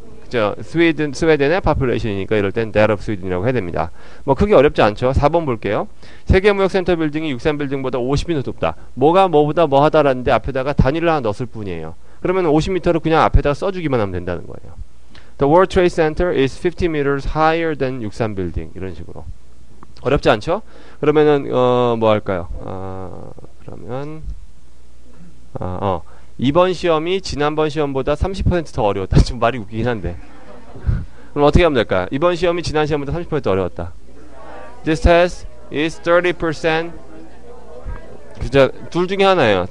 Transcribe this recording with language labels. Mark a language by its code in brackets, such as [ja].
[ko] 스웨덴의 population이니까 이럴 땐 [en] that of Sweden [ko] 이라고 해야 됩니다. 뭐 크게 어렵지 않죠? 4번 볼게요. 세계무역센터 빌딩이 육산 빌딩보다 50이 높다. 뭐가 뭐보다 뭐하다라는데 앞에다가 단위를 하나 넣었을 뿐이에요. 그러면 50m를 그냥 앞에다가 써주기만 하면 된다는 거예요. [en] The World Trade Center is 50 meters higher than 63 building. [ko] 이런 식으로. 어렵지 않죠? 그러면은 뭐 할까요? 그러면 이번 시험이 지난번 시험보다 30% 더 어려웠다. 좀 말이 웃기긴 한데. 그럼 어떻게 하면 될까요? 이번 시험이 지난 시험보다 30% 더 어려웠다. [en] This test is 30% [ko] 진짜 둘 중에 하나예요.